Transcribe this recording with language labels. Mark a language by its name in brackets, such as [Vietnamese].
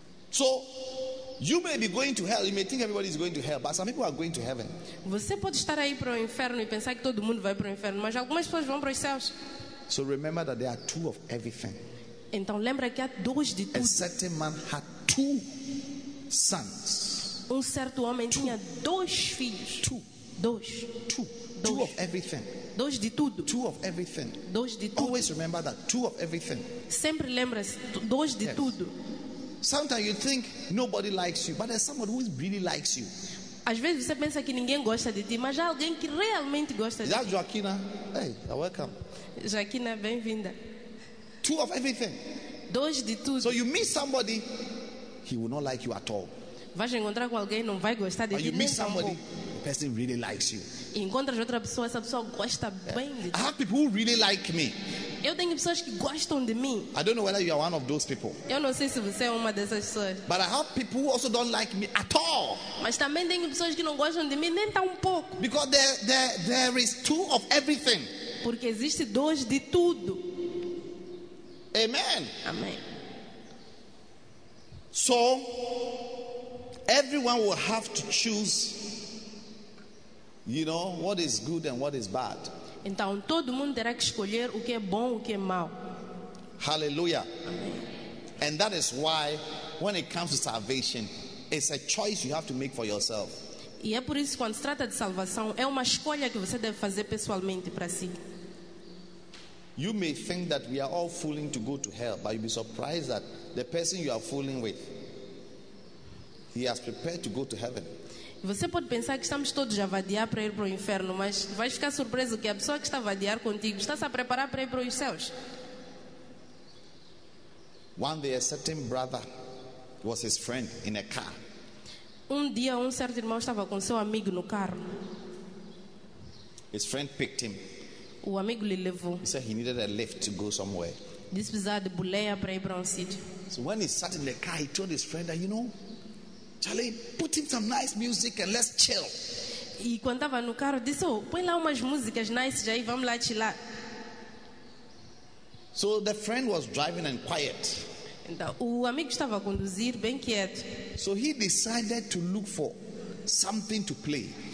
[English] So, you may be going to hell. You may think everybody is going to hell, but some people are going to heaven. [Portuguese] Você pode estar aí para o inferno e pensar que todo mundo vai para o inferno, mas algumas pessoas vão para os céus. [English] So remember that there are two of everything. [Portuguese] Então lembra que há dois de tudo. [English] A certain man had two sons. [Portuguese] Um certo homem tinha dois filhos. [English] Two of everything. [Portuguese] Dois de tudo. [English] Two of everything. [Portuguese] Dois de tudo. [English] Always remember that two of everything. [Portuguese] Sempre lembra-se dois de tudo. [English] Sometimes you think nobody likes you, but there's someone who really likes you. [Portuguese] Às vezes você pensa que ninguém gosta de ti, mas há alguém que realmente gosta de ti. [English] Já Joaquina, hey, welcome. [Portuguese] Joaquina, bem-vinda. [English] Two of everything. [Portuguese] Dois de tudo. [English] So you meet somebody, he will not like you at all. [Portuguese] Vai encontrar com alguém, não vai gostar de ti. [English] But you meet somebody, the person really likes you. [Portuguese] Encontras outra pessoa, essa pessoa gosta bem de ti. [English] I have people who really like me. [Portuguese] Eu tenho pessoas que gostam de mim. [English] I don't know whether you are one of those people. [Portuguese] Eu não sei se você é uma dessas pessoas. [English] But I have people who also don't like me at all. [Portuguese] Mas também tenho pessoas que não gostam de mim nem tão pouco. [English] Because there is two of everything. [Portuguese] Porque existe dois de tudo. [English] Amen. [Portuguese] Amém. [English] So everyone will have to choose, you know, what is good and what is bad. [Portuguese] Então todo mundo terá que escolher o que é bom, o que é mau. [English] Hallelujah. [Portuguese] Amém. [English] And that is why when it comes to salvation, it's a choice you have to make for yourself. [Portuguese] E é por isso que quando se trata de salvação, é uma escolha que você deve fazer pessoalmente para si. [English] You may think that we are all fooling to go to hell, but you'll be surprised that the person you are fooling with, he has prepared to go to heaven. [Portuguese] Você pode pensar que estamos todos a vadiar para ir para o inferno, mas vai ficar surpreso que a pessoa que está a vadiar contigo está a preparar para ir para os céus. [English] One day a certain brother was his friend in a car. [Portuguese] Um dia um certo irmão estava com seu amigo no carro. [English] His friend picked him. [Portuguese] O amigo lhe levou. [English] He said he needed a lift to go somewhere. [Portuguese] Diz precisava de boleia para ir para um sítio. [English] So when he sat in the car, he told his friend that, you know, Charlie, put in some nice music and let's chill. [Portuguese] E quando estava no carro, disse, oh, põe lá umas músicas nice aí, vamos lá chillar. [English] So the friend was driving and quiet. [Portuguese] Então, o amigo estava a conduzir bem quieto. [English] So he decided to look for something to play.